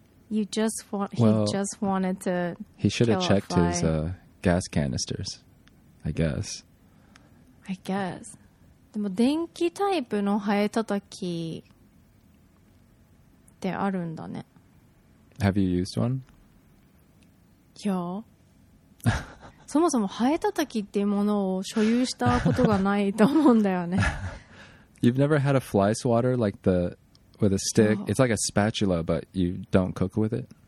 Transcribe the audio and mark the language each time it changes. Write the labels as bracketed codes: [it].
[en] You just want, he well, just wanted to. He should have checked his gas canisters, I guess. I guess. [ja] でも電気タイプのハエ叩きってあるんだね。 [en] Have you used one? [ja] いや。そもそもハエ叩きっていうものを所有したことがないと思うんだよね。 [en] You've never had a fly swatter like the. With a stick, it's like a spatula, but you don't cook with it?